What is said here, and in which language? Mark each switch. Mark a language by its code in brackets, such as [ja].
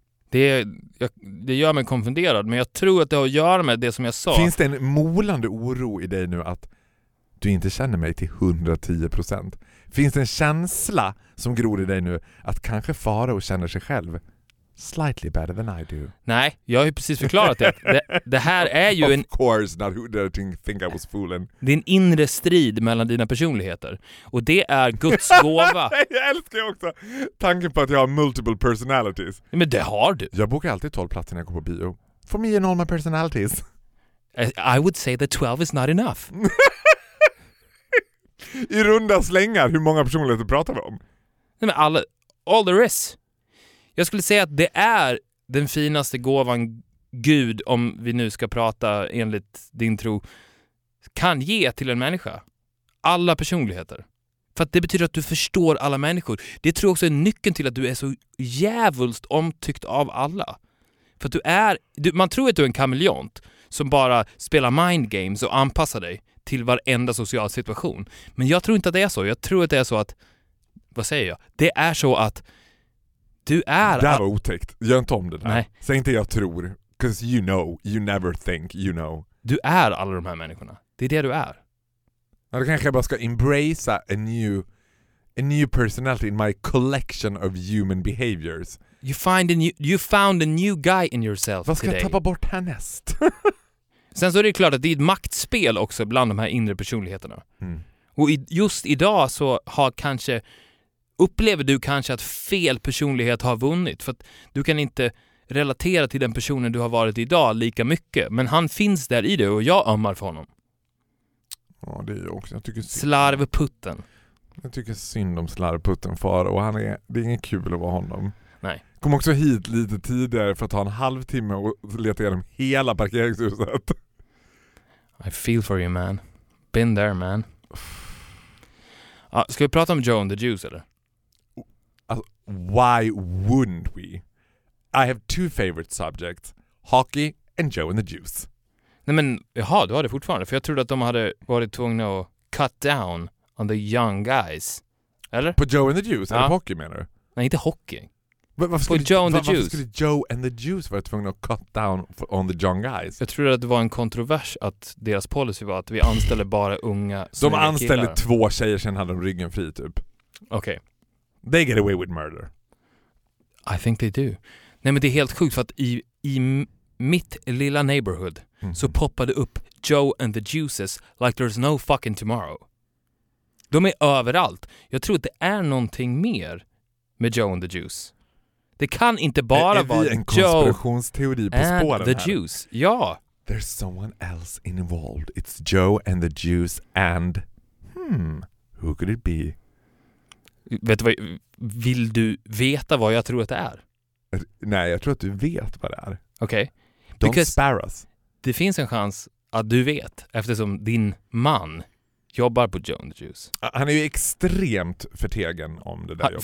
[sv] Det gör mig konfunderad, men jag tror att det har att göra med det som jag sa. Finns det en molande oro i dig nu att du inte känner mig till 110%. Finns det en känsla som gror i dig nu att kanske Faro känner sig själv [en] slightly better than I do? [sv] Nej, jag har ju precis förklarat det. Det här är ju en... [en] Of course, not who did I think I was fooling. [sv] Det är en inre strid mellan dina personligheter. Och det är Guds gåva. Jag älskar också tanken på att jag har [en] multiple personalities. [sv] Men det har du. Jag bokar alltid 12 platser när jag går på bio. [en] For me and all my personalities. I would say that 12 is not enough. [sv] I runda slängar, hur många personligheter pratar vi om? Nej, men [en] all there is. [sv] Jag skulle säga att det är den finaste gåvan Gud, om vi nu ska prata enligt din tro, kan ge till en människa. Alla personligheter. För att det betyder att du förstår alla människor. Det tror jag också är nyckeln till att du är så jävulst omtyckt av alla. För att man tror att du är en kameleont som bara spelar mind games och anpassar dig till varenda social situation. Men jag tror inte att det är så. Jag tror att det är så att, vad säger jag? Det är så att du är... Det var otäckt. Gör inte om det där. Nej. Säg inte jag tror. [en] Because you know. You never think. You know. [sv] Du är alla de här människorna. Det är det du är. Ja, då kanske jag bara ska [en] embrace a new personality in my collection of human behaviors. You found a new guy in yourself [sv] today. Vad ska [en] today. [sv] Jag tappa bort härnäst? Sen så är det klart att det är ett maktspel också bland de här inre personligheterna. Mm. Och just idag så har kanske, upplever du kanske att fel personlighet har vunnit. För att du kan inte relatera till den personen du har varit idag lika mycket. Men han finns där i det och jag ömmar för honom. Ja, det är jag också. Jag tycker slarvputten. Jag tycker synd om slarvputten far. Och han är, det är ingen kul att vara honom. Nej. Kom också hit lite tidigare för att ta en halvtimme och leta igenom hela parkeringshuset. [en] I feel for you, man. Been there, man. [sv] Ska vi prata om Joe and the Juice, eller? [en] Why wouldn't we? I have two favorite subjects. Hockey and Joe and the Juice. [sv] Nej, men jaha, du har det fortfarande. För jag trodde att de hade varit tvungna att [en] cut down on the young guys. [sv] Eller? På Joe and the Juice? Ja. Eller på hockey, menar du? Nej, inte hockey. Varför skulle Joe and the Juice vara tvungna att [en] cut down on the young guys? [sv] Jag tror att det var en kontrovers att deras policy var att vi anställer bara unga. De anställde två tjejer, sen hade de ryggen fri typ. Okej. [en] Okay. They get away with murder. I think they do. [sv] Nej, men det är helt sjukt för att i mitt lilla neighborhood så poppade upp Joe and the Juices [en] like there's no fucking tomorrow. [sv] De är överallt. Jag tror att det är någonting mer med Joe and the Juice. Det kan inte bara vara en konspirationsteori på spåren här. The Juice. Ja. [en] There's someone else involved. It's Joe and the Juice and who could it be? [sv] Vet du vad, vill du veta vad jag tror att det är? Nej, jag tror att du vet vad det är. Okej. [en] Okay. Don't because spare us. [sv] Det finns en chans att du vet eftersom din man jobbar på Joe and the Juice. Han är ju extremt förtegen om det där jobbet.